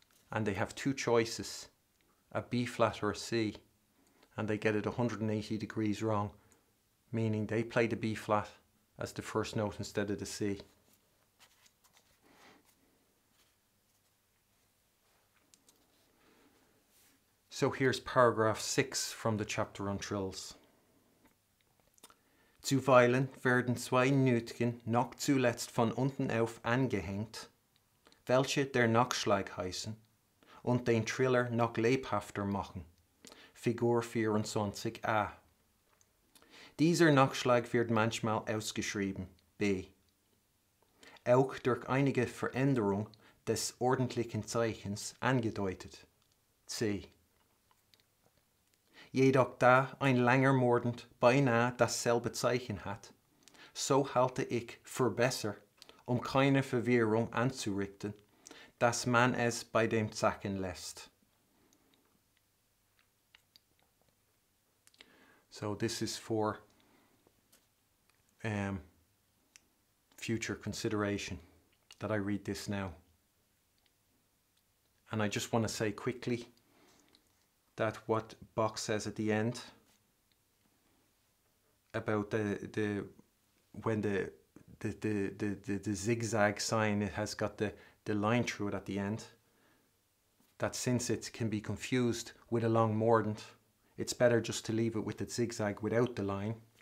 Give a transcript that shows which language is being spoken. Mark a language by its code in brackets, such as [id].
[en] And they have two choices, a B flat or a C, and they get it 180 degrees wrong, meaning they play the B flat as the first note instead of the C. So here's paragraph 6 from the chapter on trills. [de] Zu weilen werden zwei Nütgen noch zuletzt von unten auf angehängt, welche der Nachschlag heißen und den Triller noch lebhafter machen. Figur 24a. Dieser Nachschlag wird manchmal ausgeschrieben, B. Auch durch einige Veränderung des ordentlichen Zeichens angedeutet, C. Jedoch da ein langer Mordent beinahe dasselbe Zeichen hat, so halte ich für besser, um keine Verwirrung anzurichten, dass man es bei dem Zacken lässt. [en] So this is for future consideration, that I read this now. And I just want to say quickly that what Bach says at the end about the zigzag sign, it has got the line through it at the end, that since it can be confused with a long mordent, it's better just to leave it with the zigzag without the line.